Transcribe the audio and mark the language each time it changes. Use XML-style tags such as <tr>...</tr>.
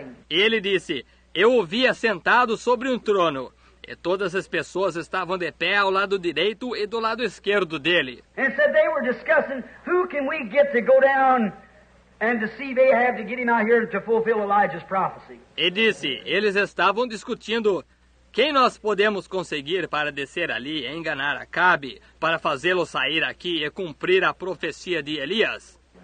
<pt>Ele disse, eu o vi assentado sobre um trono e todas as pessoas estavam de pé ao lado direito e do lado esquerdo dele.</pt> <en>And said they were discussing who can we get to go down and deceive Ahab to get him out here to fulfill Elijah's prophecy.</en> <pt>E disse, eles estavam discutindo quem nós podemos conseguir para descer ali e enganar Acabe, para fazê-lo sair aqui e cumprir a profecia de Elias?</pt>